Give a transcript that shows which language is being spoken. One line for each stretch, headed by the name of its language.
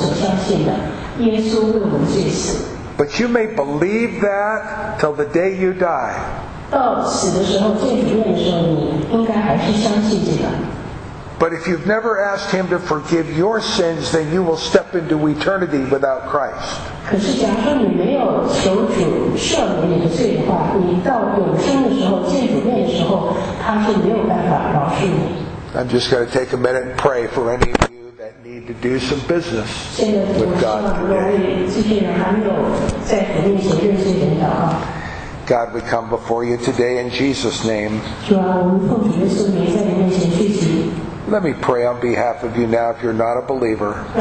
English: But you may believe that till the day you die. But if you've never asked him to forgive your sins, then you will step into eternity without Christ.
Chinese: 可是假如你没有求主赦免你的罪的话，你到永生的时候见主面的时候，他是没有办法饶恕你。
English: I'm just going to take a minute and pray for any of you that need to do some business with God today.
Chinese: 这些人还没有在主面前认罪的人啊。
English: God, we come before you today in Jesus' name.
Chinese: 主啊，我们奉主耶稣名在你面前聚集。
English: Let me pray on behalf of you now if you're not a believer.